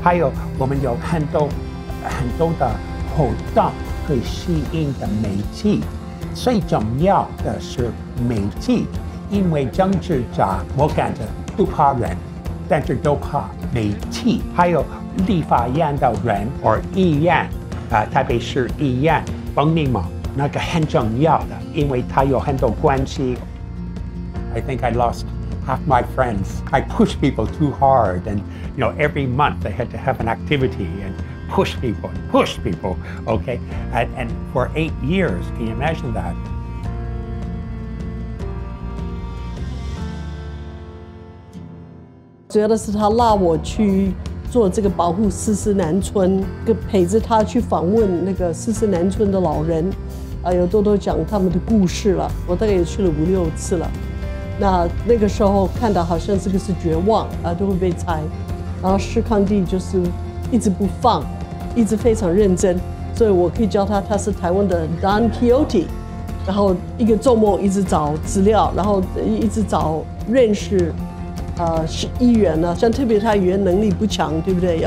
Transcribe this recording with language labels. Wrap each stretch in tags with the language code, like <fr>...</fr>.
<zh>还有，我们有很多的活动可以吸引的媒体，最重要的是媒体，因为政治家我感觉不怕人，但是都怕媒体。还有立法院的人或议员，台北市议员冯明茂，那个很重要的，因为他有很多关系。</zh> <en>I think I lost. Half my friends, I push people too hard, and you know, every month they had to have an activity and push people, okay? And for 8 years, can you imagine that? I think it's that he asked me to do this protect 四四南村, to help him to visit the elderly of 四四南村, and to tell them their stories. I've been there for about 5-6 times.</en> <zh>那个时候看到好像这个是绝望啊，都会被拆，然后史康帝就是一直不放，一直非常认真，所以我可以叫他是台湾的 Don Quixote， 然后一个周末一直找资料，然后一直找认识，是议员呢、啊，像特别他语言能力不强，对不对？</zh>